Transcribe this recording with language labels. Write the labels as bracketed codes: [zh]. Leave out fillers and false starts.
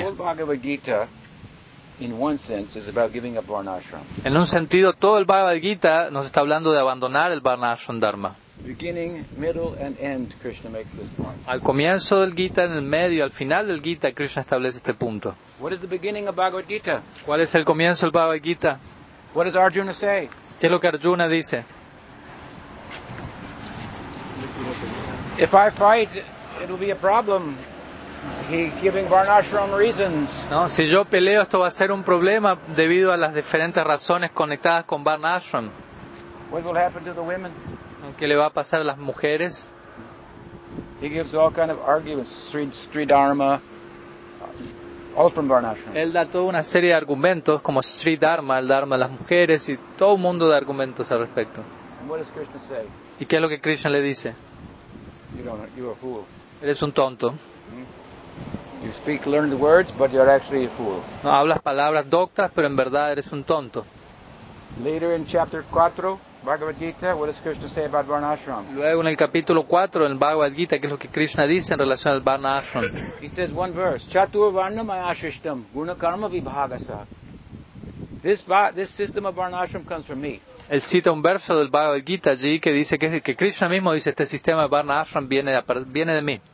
[en] The whole Bhagavad Gita, in one sense, is about giving up varnashram. [es] En un sentido, todo el Bhagavad Gita nos está hablando de abandonar el varnashram dharma. [en] Beginning, middle, and end, Krishna makes this point. [es] Al comienzo del Gita, en el medio, al final del Gita, Krishna establece este punto. [en] What is the beginning of Bhagavad Gita? [es] ¿Cuál es el comienzo del Bhagavad Gita? [en] What does Arjuna say? [es] ¿Qué es lo que Arjuna dice? [en] If I fight, it will be a problem. He giving varnashram reasons. [es] No, si yo peleo, esto va a ser un problema debido a las diferentes razones conectadas con varnashram. [en] What will happen to the women? [es] ¿Qué le va a pasar a las mujeres? [en] He gives all kind of arguments, sri dharma, all from varnashram. [es] Él da toda una serie de argumentos como sri dharma, el dharma de las mujeres y todo un mundo de argumentos al respecto. [en] And what does Krishna say? [es] ¿Y qué es lo que Krishna le dice? [en] You're a fool. [es] Eres un tonto. [en] You speak learned words, but you're actually a fool. [es] No, hablas palabras doctas, pero en verdad eres un tonto. [en] Later in chapter 4, Bhagavad Gita, what does Krishna say about varnashram? [es] Luego en el capítulo 4 en Bhagavad Gita, ¿qué es lo que Krishna dice en relación al varnashram? [en] He says one verse, [sa] chatur varnam ayashishtam guna karma vibhagasa. [en] This system of varnashram comes from me. [es] Él cita un verso del Bhagavad Gita allí que dice que Krishna mismo dice este sistema de varnashram viene de mí.